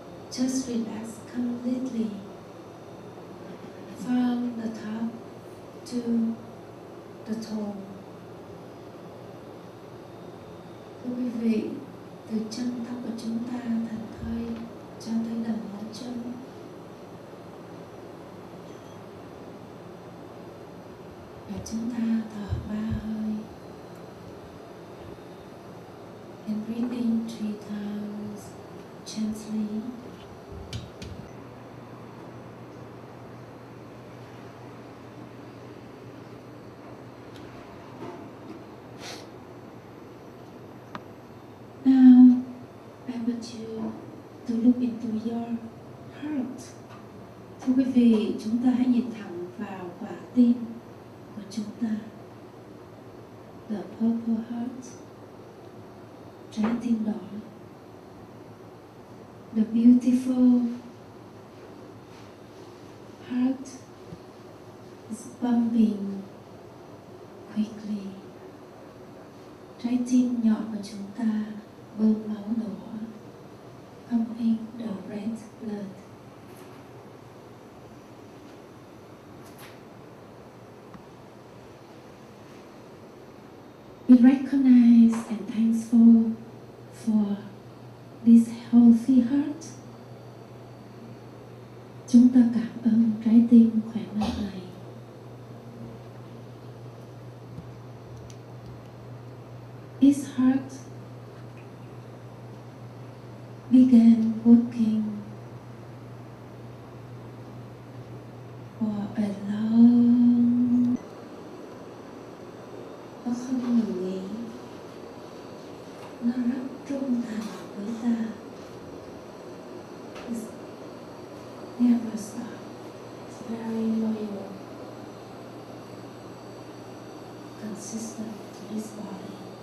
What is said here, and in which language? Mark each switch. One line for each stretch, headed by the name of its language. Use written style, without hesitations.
English: Just relax completely from the top to the toe.
Vietnamese: Thưa quý vị, từ chân tóc của chúng ta thành thơi cho tới đầu ngón chân. Và chúng ta thở ba hơi.
English: And breathe in three times gently. Now I want you to look into your heart.
Vietnamese: Thưa quý vị, chúng ta hãy nhìn thẳng vào quả tim của chúng ta.
English: The purple heart.
Vietnamese: Trái tim đỏ,
English: the beautiful heart bumping quickly.
Vietnamese: Trái tim nhỏ của chúng ta bơm máu đỏ,
English: pumping the red blood. We recognize and thankful for this healthy heart.
Vietnamese: Chúng ta cảm ơn trái tim khỏe mạnh này.
English: This heart began working for a long time.
Vietnamese: Nó không ngừng nghỉ. Nó rất trung thành với ta.
English: It's never stop. It's very loyal. Consistent to this body.